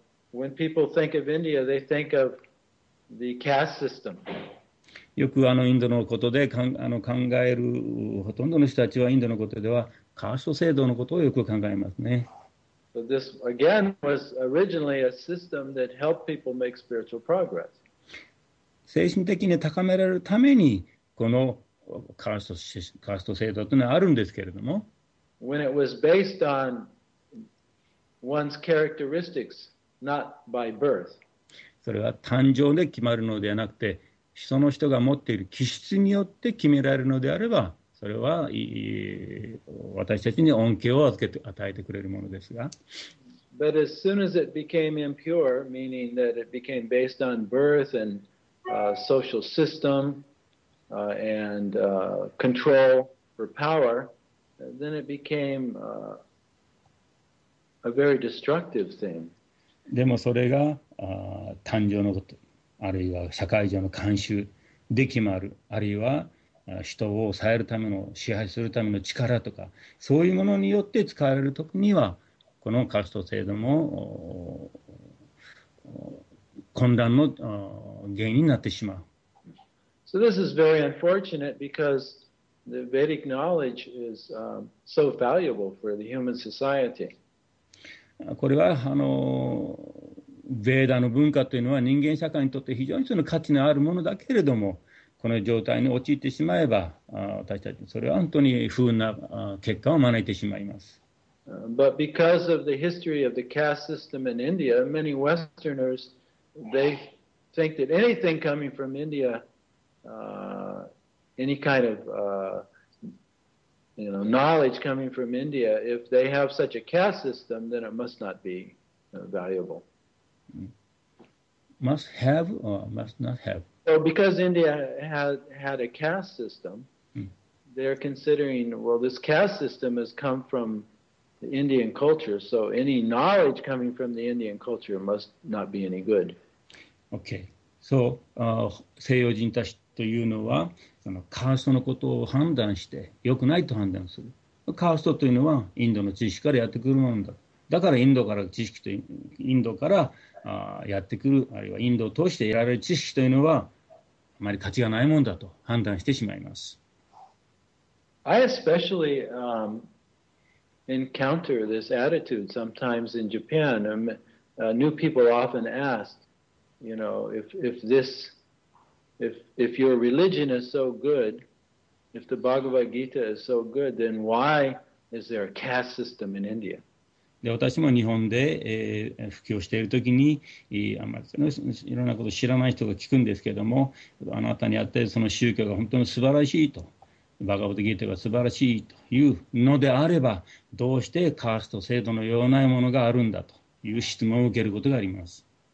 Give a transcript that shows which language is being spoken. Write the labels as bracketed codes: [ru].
[en] when people think of India, they think of the caste system. [ja] よくインドのことで考えるほとんどの人たちはインドのことではカースト制度のことをよく考えますね。 [en] So this again was originally a system that helped people make spiritual progress. [ja] 精神的に高められるためにこのカースト制度というのはあるんですけれども。 [en] When it was based on one's characteristics, not by birth. [ja] それは誕生で決まるのではなくて、その人が持っている気質によって決められるのであれば、それは私たちに恩恵を与えてくれるものですが。 [en] But as soon as it became impure, meaning that it became based on birth and social system and control for power, then it became a very destructive thing. [ja] でもそれが誕生のこと。あるいは社会上の慣習で決まる、あるいは人を抑えるための支配するための力とか、そういうものによって使われるときには、このカースト制度も混乱の原因になってしまう。 [en] So this is very unfortunate because the Vedic knowledge is so valuable for the human society. [ja] これはヴェーダの文化というのは人間社会にとって非常にその価値のあるものだけれども、この状態に陥ってしまえば私たちそれは本当に不運な結果を招いてしまいます。 [en] But because of the history of the caste system in India, many Westerners, they think that anything coming from India, any kind of knowledge coming from India, if they have such a caste system, then it must not be valuable. Must have or must not have. So because India had a caste system, they're considering, well, this caste system has come from the Indian culture, so any knowledge coming from the Indian culture must not be any good. Okay. [ja] So, 西洋人たちというのは、そのカーストのことを判断して、良くないと判断する。カーストというのは、インドの知識からやってくるものだ。だからインドから知識と、インドからやってくる、あるいはインドを通して得られる知識というのはあまり価値がないものだと判断してしまいます。 [en] I especially encounter this attitude sometimes in Japan. New people often ask, you know, if your religion is so good, if the Bhagavad Gita is so good, then why is there a caste system in India? [ja] で私も日本で、布教しているときに、あまりいろんなことを知らない人が聞くんですけども、あなたにあってその宗教が本当に素晴らしいと、バガヴァッド・ギータが素晴らしいというのであれば、どうしてカースト制度のようなものがあるんだという質問を受けることがあります。